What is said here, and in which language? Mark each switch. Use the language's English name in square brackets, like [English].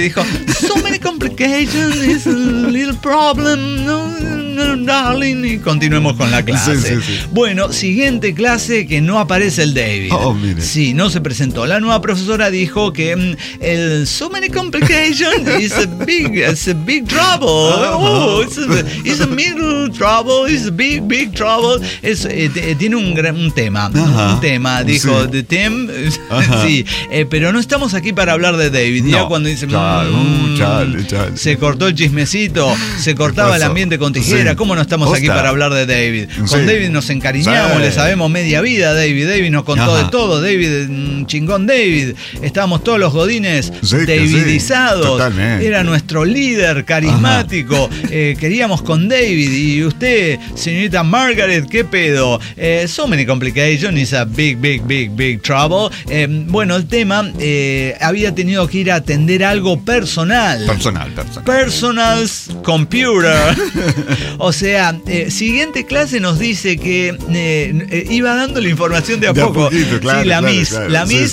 [Spanish] Dijo, [English] so many complications, it's a little problem, no... [Spanish] darling, y continuemos con la clase. Sí, sí, sí. Bueno, siguiente clase que no aparece el David. Oh, mire. Sí, no se presentó. La nueva profesora dijo que el [English] so many complications is a big, it's a big trouble. [Spanish] Uh-huh. [English] Oh, it's a middle trouble, it's a big, big trouble. [Spanish] Es, tiene un tema, uh-huh. Un tema, dijo, sí. [English] The team. Uh-huh. [Spanish] Sí, pero no estamos aquí para hablar de David. No. Ya cuando dice, chale. Se cortó el chismecito, se cortaba el ambiente con tijera. Era, ¿cómo no estamos aquí para hablar de David? Con sí. David nos encariñamos, sí. Le sabemos media vida a David. David nos contó, ajá, de todo. David, chingón David. Estábamos todos los godines, sí, davidizados. Sí. Era nuestro líder carismático. Queríamos con David. Y usted, señorita Margaret, ¿qué pedo? [English] So many complications, it's a big, big, big, big trouble. [Spanish] Bueno, el tema, había tenido que ir a atender algo personal. Personal, personal. [English] Personal's computer. [Spanish] O sea, siguiente clase nos dice que iba dando la información de a poco. Poquito, claro, sí, la claro, Miss. Claro. La Miss.